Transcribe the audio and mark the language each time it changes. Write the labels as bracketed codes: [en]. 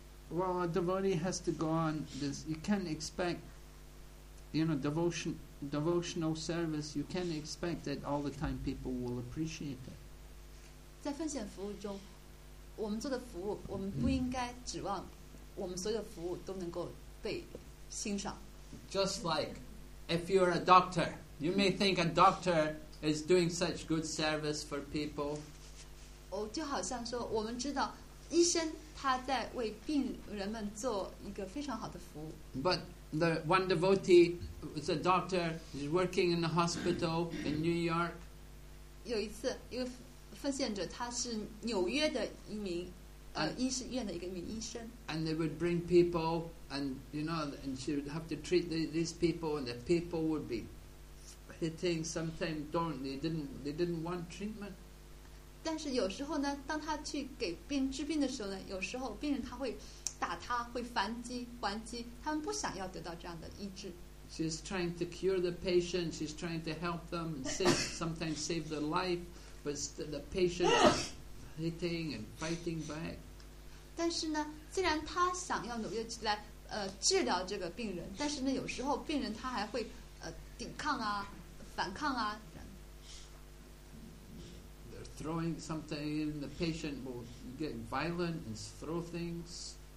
[en] Well, a devotee has to go on this. You can't expect, you know, devotional service. You can't expect that all the time people will appreciate it. [zh] 在奉献服务中。我们做的服务，我们不应该指望我们所有的服务都能够被欣赏。 [en] Just like if you're a doctor, you may think a doctor is doing such good service for people. [zh] 哦，就好像说，我们知道医生他在为病人们做一个非常好的服务。 [en] But the one devotee is a doctor. He's working in a hospital in New York. [zh] 有一次，一个。奉献者他是纽约的一名医生院的一个名医生。 [en] And they would bring people, and you know, and she would have to treat these people, and the people would be hitting. Sometimes they didn't want treatment. [zh] 但是有时候呢，当他去给病治病的时候呢，有时候病人他会打他，会反击还击，他们不想要得到这样的医治。 [en] She's trying to cure the patient. She's trying to help them and save sometimes save their life. But the patient is hitting and fighting back. [zh] 但是呢，既然他想要努力来治疗这个病人，但是呢，有时候病人他还会抵抗啊，反抗啊。 [en] They're throwing something. The patient will get violent and throw things.